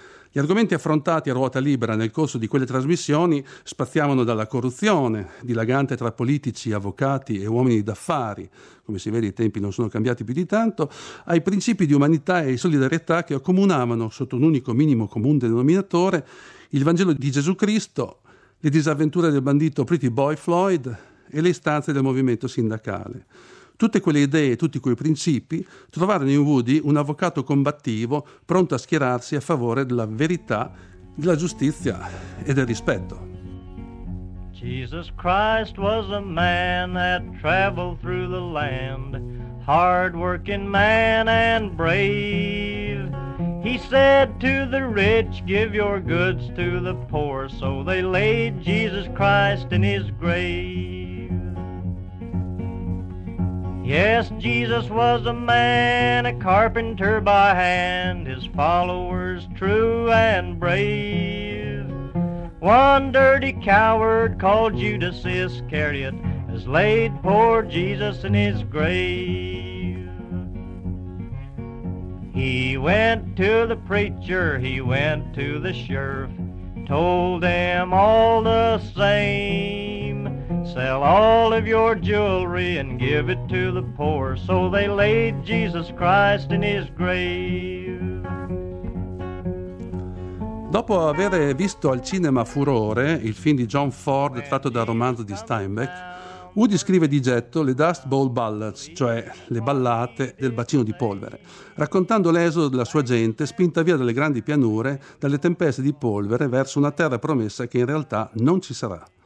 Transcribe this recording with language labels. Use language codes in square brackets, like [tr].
[it] Gli argomenti affrontati a ruota libera nel corso di quelle trasmissioni spaziavano dalla corruzione dilagante tra politici, avvocati e uomini d'affari, come si vede i tempi non sono cambiati più di tanto, ai principi di umanità e solidarietà che accomunavano sotto un unico minimo comune denominatore il Vangelo di Gesù Cristo, le disavventure del bandito Pretty Boy Floyd e le istanze del movimento sindacale. Tutte quelle idee e tutti quei principi trovarono in Woody un avvocato combattivo pronto a schierarsi a favore della verità, della giustizia e del rispetto. [en] Jesus Christ was a man that traveled through the land, hard working man and brave. He said to the rich, give your goods to the poor, so they laid Jesus Christ in his grave. Yes, Jesus was a man, a carpenter by hand, his followers true and brave. One dirty coward called Judas Iscariot has laid poor Jesus in his grave. He went to the preacher, he went to the sheriff, told them all the same. Sell all of your jewelry and give it to the poor, so they laid Jesus Christ in his grave. [it] Dopo aver visto al cinema Furore, il film di John Ford tratto dal romanzo di Steinbeck, Woody scrive di getto le Dust Bowl Ballads, cioè le ballate del bacino di polvere, raccontando l'esodo della sua gente spinta via dalle grandi pianure, dalle tempeste di polvere verso una terra promessa che in realtà non ci sarà.